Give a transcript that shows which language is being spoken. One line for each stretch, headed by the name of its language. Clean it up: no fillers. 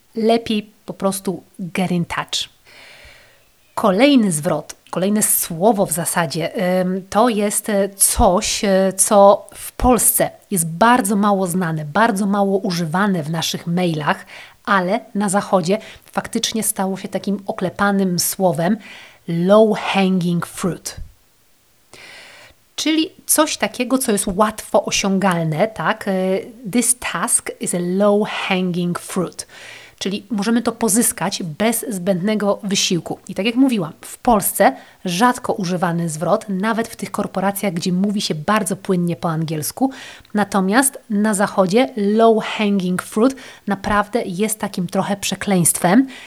Polish: Lepiej po prostu
English: get in touch.
Polish: Kolejny zwrot, kolejne słowo w zasadzie, to jest coś, co w Polsce jest bardzo mało znane, bardzo mało używane w naszych mailach, ale na zachodzie faktycznie stało się takim oklepanym słowem
English: low hanging fruit.
Polish: Czyli coś takiego, co jest łatwo osiągalne, tak?
English: This task is a low hanging fruit.
Polish: Czyli możemy to pozyskać bez zbędnego wysiłku. I tak jak mówiłam, w Polsce rzadko używany zwrot, nawet w tych korporacjach, gdzie mówi się bardzo płynnie po angielsku. Natomiast na zachodzie
English: low hanging fruit
Polish: naprawdę jest takim trochę przekleństwem.